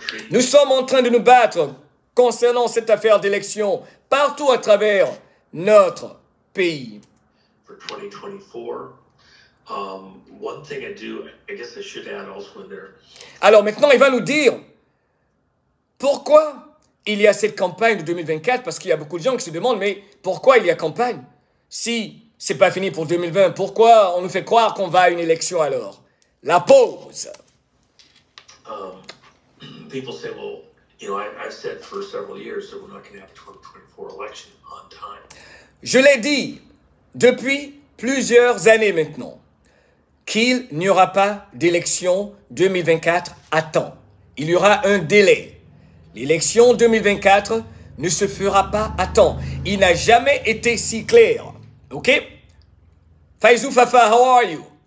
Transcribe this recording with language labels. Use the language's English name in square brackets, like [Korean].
[French] Nous sommes en train de nous battre concernant cette affaire d'élection partout à travers notre pays. [English] For 2024, one thing I do, I guess I should add also in there. [French] Alors maintenant, il va nous dire pourquoi il y a cette campagne de 2024, parce qu'il y a beaucoup de gens qui se demandent, mais pourquoi il y a campagne? Si ce n'est pas fini pour 2020, pourquoi on nous fait croire qu'on va à une élection alors? La pause. [English] People say, well, you know, I've said for several years that we're not going to have a 2024 election on time. [French] Je l'ai dit depuis plusieurs années maintenant qu'il n'y aura pas d'élection 2024 à temps. Il y aura un délai. L'élection 2024 ne se fera pas à temps. Il n'a jamais été si clair. OK? Faizou Fafa, [English] how are you?